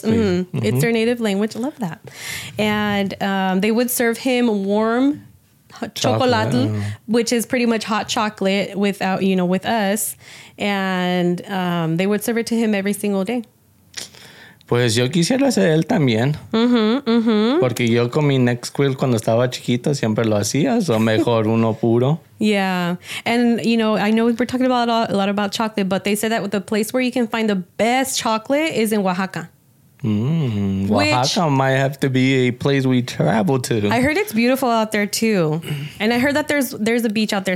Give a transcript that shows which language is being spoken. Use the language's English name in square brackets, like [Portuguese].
[English] Mm-hmm. Mm-hmm. It's their native language. I love that. And they would serve him warm chocolate, which is pretty much hot chocolate without, you know, with us. And they would serve it to him every single day. [Spanish] Pues yo quisiera hacer él también. Mm-hmm, mm-hmm. Porque yo con mi Nesquik cuando estaba chiquita siempre lo hacía. So mejor uno puro. [English] Yeah. And, you know, I know we're talking about a lot about chocolate, but they said that the place where you can find the best chocolate is in Oaxaca. Mm, Oaxaca might have to be a place we travel to. I heard it's beautiful out there, too. And I heard that there's a beach out there.